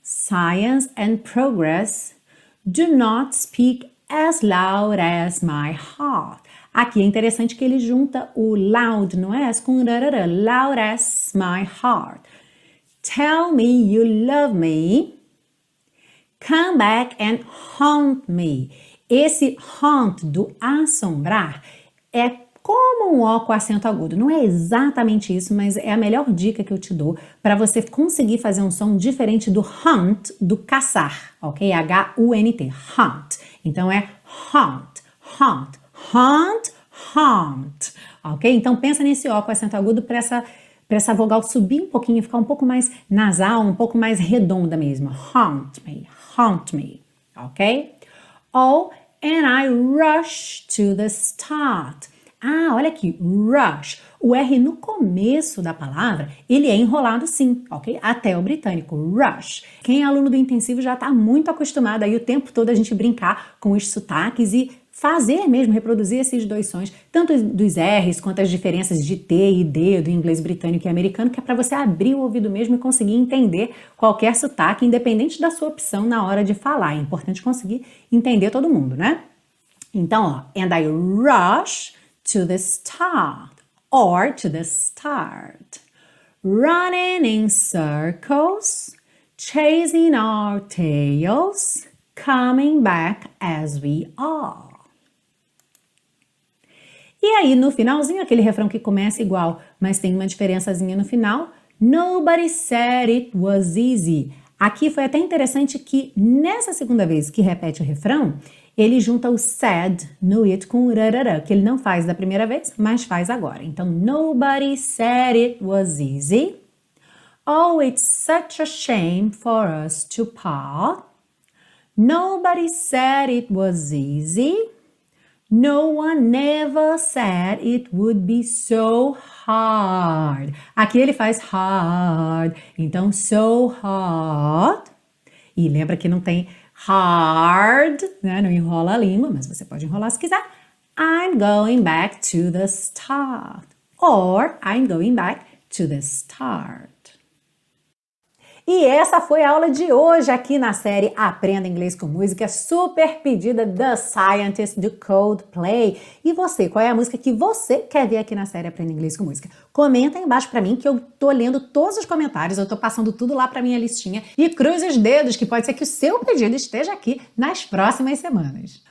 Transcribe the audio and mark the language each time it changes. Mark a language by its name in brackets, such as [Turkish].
[English] Science and progress do not speak as loud as my heart. [Portuguese] Aqui é interessante que ele junta o loud no S com o rarara, [English] loud as my heart. Tell me you love me. Come back and haunt me. [Portuguese] Esse haunt do assombrar é como um O com acento agudo. Não é exatamente isso, mas é a melhor dica que eu te dou para você conseguir fazer um som diferente do hunt, do caçar, ok? H-U-N-T, hunt. Então é hunt, hunt, hunt, hunt, ok? Então pensa nesse O com acento agudo para essa vogal subir um pouquinho, ficar um pouco mais nasal, um pouco mais redonda mesmo. [English] Hunt me, ok? Oh, and I rush to the start. [Portuguese] Ah, olha aqui, rush. O R no começo da palavra, ele é enrolado sim, ok? Até o britânico, rush. Quem é aluno do intensivo já está muito acostumado aí o tempo todo a gente brincar com os sotaques e fazer mesmo, reproduzir esses dois sons, tanto dos R's quanto as diferenças de T e D do inglês britânico e americano, que é para você abrir o ouvido mesmo e conseguir entender qualquer sotaque, independente da sua opção na hora de falar. É importante conseguir entender todo mundo, né? Então, ó, [English] and I rush to the start, or to the start, running in circles, chasing our tails, coming back as we are. [Portuguese] E aí, no finalzinho, aquele refrão que começa igual, mas tem uma diferençazinha no final, [English] nobody said it was easy. [Portuguese] Aqui foi até interessante que nessa segunda vez que repete o refrão, ele junta o said no it com o rarara, que ele não faz da primeira vez, mas faz agora. Então, [English] nobody said it was easy. Oh, it's such a shame for us to part. Nobody said it was easy. No one ever said it would be so hard. [Portuguese] Aqui ele faz hard. Então, [English] so hard. [Portuguese] E lembra que não tem hard, né? Não enrola a língua, mas você pode enrolar se quiser. [English] I'm going back to the start. Or I'm going back to the start. [Portuguese] E essa foi a aula de hoje aqui na série Aprenda Inglês com Música, super pedida, The Scientist do Coldplay. E você, qual é a música que você quer ver aqui na série Aprenda Inglês com Música? Comenta aí embaixo para mim que eu tô lendo todos os comentários, eu tô passando tudo lá para minha listinha e cruze os dedos que pode ser que o seu pedido esteja aqui nas próximas semanas.